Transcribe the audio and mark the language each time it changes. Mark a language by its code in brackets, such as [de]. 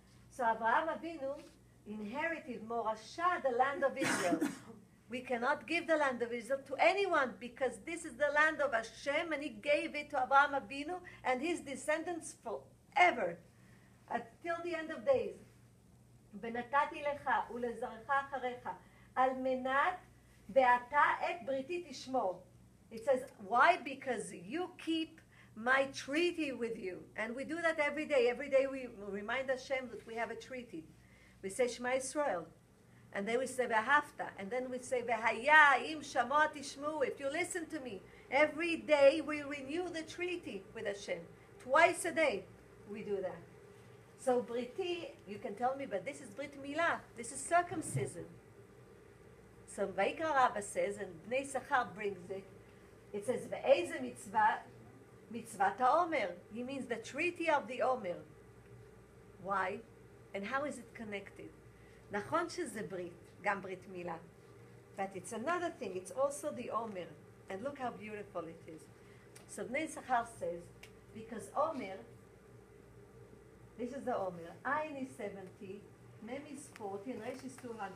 [en] So Avraham Avinu inherited Morasha, the land of Israel. We cannot give the land of Israel to anyone, because this is the land of Hashem, and he gave it to Avraham Avinu and his descendants forever, until the end of days. [he] ונתתי לך ולזרעך אחריך, על מנת ואתה את בריתי תשמור. [en] It says, why? Because you keep my treaty with you. And we do that every day. Every day we remind Hashem that we have a treaty. We say Shema Yisrael. And then we say Vahafta. And then we say Vahaya im Shamo Tishmu. If you listen to me, every day we renew the treaty with Hashem. Twice a day we do that. So Briti, you can tell me, but this is Brit Milah. This is circumcision. So Vayikra Rabba says, and Bnei Sachar brings it. It says [he] Ve'eze mitzvat ha'omer. [en] He means the treaty of the Omer. Why? And how is it connected? [he] נכון שזה ברית, גם ברית מילה. [en] But it's another thing, it's also the Omer. And look how beautiful it is. So Bnei Sachar says, because Omer, this is the Omer, Ayin is 70, Mem is 40, and Resh is 200.